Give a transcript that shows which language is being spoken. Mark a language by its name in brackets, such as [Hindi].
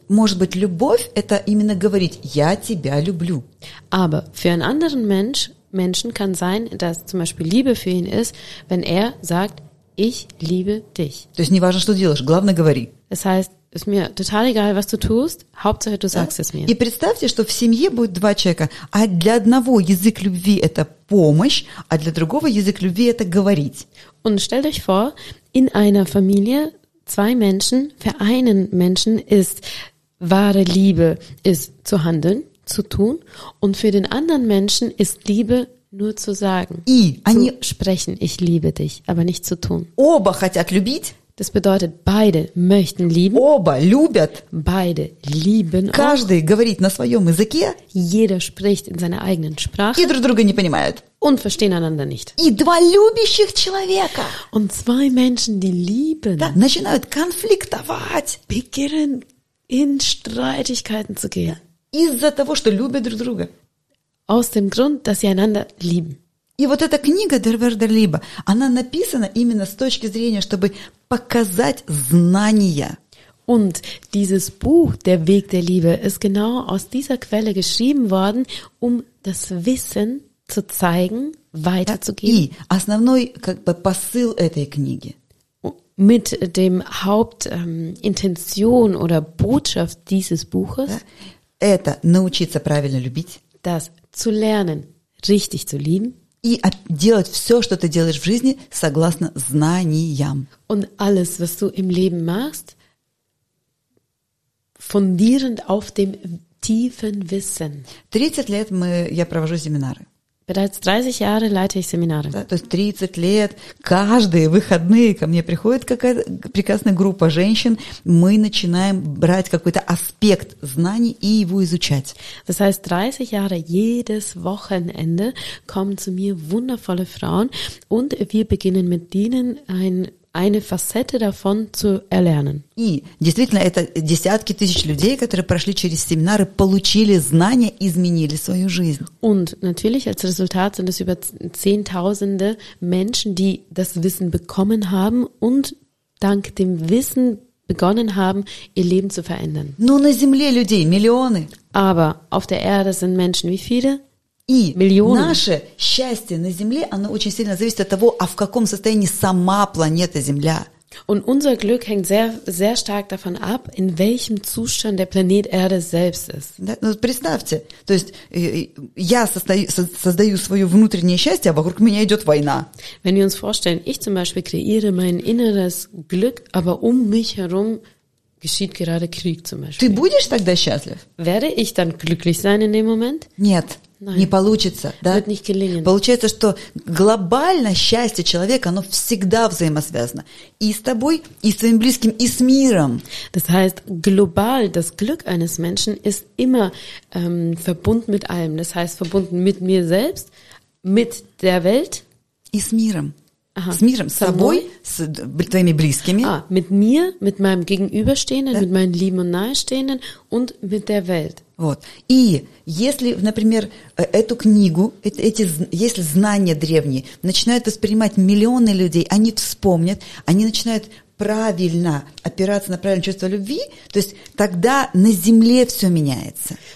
[Russian] Может быть, любовь – это именно говорить «я тебя люблю». [German] Aber für einen anderen Menschen kann sein, dass zum Beispiel Liebe für ihn ist, wenn er sagt «ich liebe dich». [Russian] То есть не важно, что делаешь, главное – говори. [German] Das heißt, ist mir total egal, was du tust, Hauptsache du sagst es mir. [Russian] И представьте, что в семье будет два человека, а для одного язык любви – это помощь, а для другого язык любви – это говорить. [German] Und stellt euch vor, in einer Familie zwei Menschen, für einen Menschen ist wahre Liebe, ist zu handeln, zu tun, und für den anderen Menschen ist Liebe nur zu sagen, zu sprechen, ich liebe dich, aber nicht zu tun. [Russian] Оба хотят любить. [German] Das bedeutet, beide möchten lieben. [Russian] Оба любят. [German] Beide lieben. [Russian] Каждый [German] auch. [Russian] Говорит на своем языке. [German] Jeder spricht in seiner eigenen Sprache. [Russian] И друг друга не понимают. [German] Und verstehen einander nicht. [Russian] И два любящих человека. [German] Und zwei Menschen, die lieben. [Russian] Да, начинают конфликтовать. [German] Beginnen in Streitigkeiten zu gehen. [Russian] Из-за того, что любят друг друга. [German] Aus dem Grund, dass sie einander lieben. [Russian] И вот эта книга «Der Werde Liebe», она написана именно с точки зрения, чтобы показать знания. [German] Und dieses Buch «Der Weg der Liebe» ist genau aus dieser Quelle geschrieben worden, um das Wissen zu zeigen, weiterzugeben. [Russian] И основной как бы посыл этой книги. [German] Mit dem Hauptintention oder Botschaft dieses Buches. [Russian] Да, это научиться правильно любить. [German] Das zu lernen, richtig zu lieben. [Russian] И делать все, что ты делаешь в жизни, согласно знаниям. [German] Und alles, was du im Leben machst, fundierend auf dem tiefen Wissen. [Russian] 30 лет я провожу семинары. [German] Bereits 30 Jahre leite ich Seminare. [Russian] Да, то есть 30 лет, каждые выходные ко мне приходит какая-то прекрасная группа женщин, мы начинаем брать какой-то аспект знаний и его изучать. [German] Das heißt, 30 Jahre, jedes Wochenende kommen zu mir wundervolle Frauen und wir beginnen mit ihnen eine Facette davon zu erlernen. [Russian] И действительно, это десятки тысяч людей, которые прошли через семинары, получили знания, изменили свою жизнь. [German] Und natürlich als Resultat sind es über Zehntausende Menschen, die das Wissen bekommen haben und dank dem Wissen begonnen haben, ihr Leben zu verändern. [Russian] Но на Земле людей миллионы. [German] Aber auf der Erde sind Menschen wie viele? [Russian] И миллионы. Наше счастье на Земле, оно очень сильно зависит от того, а в каком состоянии сама планета Земля. [German] Und unser Glück hängt sehr, sehr stark davon ab, in welchem Zustand der Planet Erde selbst ist. [Russian] Да, ну, представьте, то есть я создаю свое внутреннее счастье, а вокруг меня идет война. [German] Wenn wir uns vorstellen, ich zum Beispiel kreiere mein inneres Glück, aber um mich herum geschieht gerade Krieg zum Beispiel. [Russian] Ты будешь тогда счастлив? [German] Werde ich dann glücklich sein in dem Moment? [Russian] Нет. Не получится, да? Получается, что глобально счастье человека, оно всегда взаимосвязано и с тобой, и с твоим близким, и с миром. [German] Das heißt, global das Glück eines Menschen ist immer verbunden mit allem. Das heißt, verbunden mit mir selbst, mit der Welt. [Russian] И с миром. Ага. С миром, с собой, с твоими близкими. [German] А, mit mir, mit meinem Gegenüberstehenden, mit meinen Lieben und Nahestehenden und mit der Welt. [Russian] Вот. И если, например, эту книгу, эти, если знания древние начинают воспринимать миллионы людей, они вспомнят, они начинают правильно опираться на правильное чувство любви, то есть тогда на земле все меняется.